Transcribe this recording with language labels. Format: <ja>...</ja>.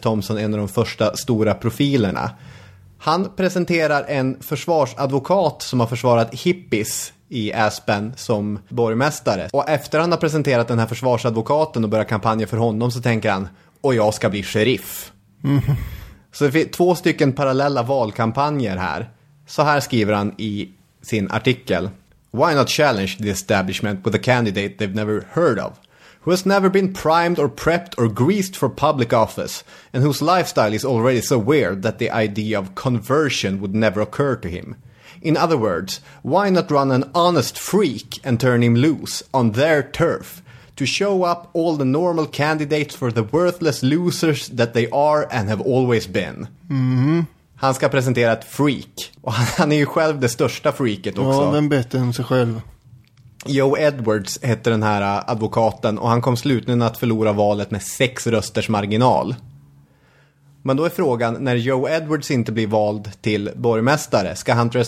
<sv>Thompson en av de första stora profilerna. Han presenterar en försvarsadvokat som har försvarat hippies i Aspen som borgmästare. Och efter han har presenterat den här försvarsadvokaten och börjat kampanja för honom så tänker han, och jag ska bli sheriff. Mm. Så det finns två stycken parallella valkampanjer här. Så här skriver han i sin artikel.</sv> <en>Why not challenge the establishment with a candidate they've never heard of? Who has never been primed or prepped or greased for public office? And whose lifestyle is already so weird that the idea of conversion would never occur to him? In other words, why not run an honest freak and turn him loose on their turf to show up all the normal candidates for the worthless losers that they are and have always been? Mm-hmm.</en> <sv>Han ska presentera ett freak. Och han är ju själv det största freaket också. Ja, vem bättre än sig själv? Joe Edwards heter den här advokaten och han kom slutligen att förlora valet med 6 rösters marginal. Men då är frågan, när Joe Edwards inte blir vald till borgmästare, ska Hunter S.</sv>